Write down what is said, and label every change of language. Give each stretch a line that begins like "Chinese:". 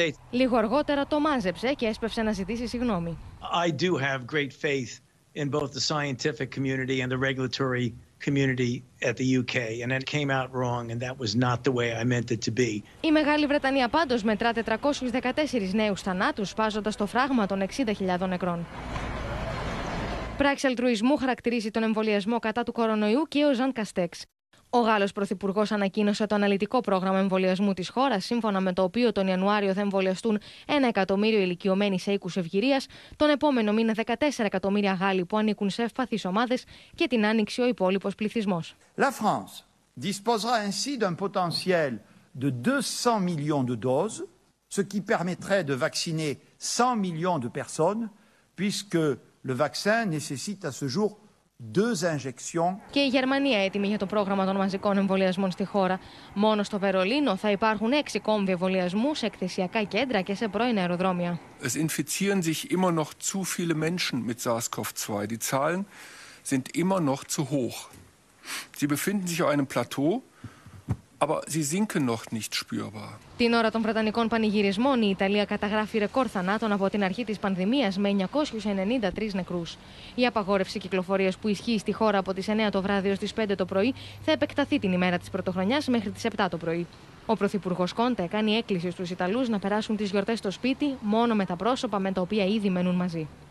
Greek: Λίγο αργότερα το μάζεψε και έσπευσε να ζητήσει συγγνώμη.
English: I do have great faith in both the scientific community and the regulatory community at the UK, and it came out wrong, and that was not the way I meant it to be.
Greek: Η Μεγάλη Βρετανία πάντως μετρά 414 νέους θανάτους, σπάζοντας το φράγμα των 60.000 νεκρών. Πράξη αλτρουισμού χαρακτηρίζει τον εμβολιασμό κατά του κορονοϊού και ο Ζαν Καστέξ. Ο Γάλλος Πρωθυπουργός ανακοίνωσε το αναλυτικό πρόγραμμα εμβολιασμού της χώρας, σύμφωνα με το οποίο τον Ιανουάριο θα εμβολιαστούν 1 εκατομμύριο ηλικιωμένοι σε οίκους ευγυρίας, τον επόμενο μήνα 14 εκατομμύρια Γάλλοι που ανήκουν σε ευπαθείς ομάδες και την άνοιξη ο υπόλοιπος πληθυσμός.
French: La France disposera ainsi d'un potentiel de 200 millions de doses, ce qui permettrait de vacciner 100 millions de personnes, puisque le vaccin nécessite à ce jour
Greek: Και η Γερμανία έτοιμη για το πρόγραμμα των μαζικών εμβολιασμών στη χώρα. Μόνο στο Βερολίνο θα υπάρχουν 6 κόμβοι εμβολιασμού σε εκθεσιακά κέντρα και σε πρώην αεροδρόμια.
German: Es infizieren sich immer noch zu viele Menschen mit SARS-CoV-2. Die Zahlen sind immer noch zu hoch. Sie befinden sich auf einem Plateau. Aber sie sinken noch nicht spürbar.
Greek: Την ώρα των Βρετανικών πανηγυρισμών, η Ιταλία καταγράφει ρεκόρ θανάτων από την αρχή της πανδημίας με 993 νεκρούς. Η απαγόρευση κυκλοφορίας που ισχύει στη χώρα από τις 9 το βράδυ ως τις 5 το πρωί θα επεκταθεί την ημέρα της Πρωτοχρονιάς μέχρι τις 7 το πρωί. Ο Πρωθυπουργός Κόντε κάνει έκκληση στους Ιταλούς να περάσουν τις γιορτές στο σπίτι μόνο με τα πρόσωπα με τα οποία ήδη μένουν μαζί.